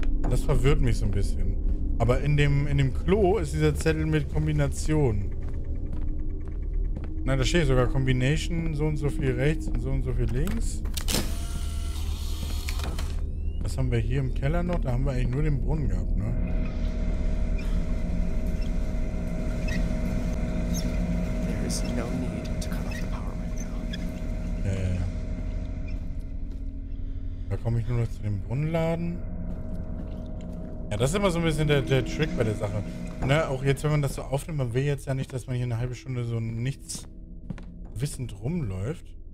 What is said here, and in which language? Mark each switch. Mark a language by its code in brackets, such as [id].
[de] Das verwirrt mich so ein bisschen. Aber in dem Klo ist dieser Zettel mit Kombination. Nein, da steht sogar Combination, so und so viel rechts und so viel links. Was haben wir hier im Keller noch? Da haben wir eigentlich nur den Brunnen gehabt, ne? [en] There is no need to cut off the power right now. [de] Da komme ich nur noch zu dem Brunnenladen. Ja, das ist immer so ein bisschen der Trick bei der Sache. Ne, auch jetzt, wenn man das so aufnimmt, man will jetzt ja nicht, dass man hier eine halbe Stunde so nichts wissend rumläuft.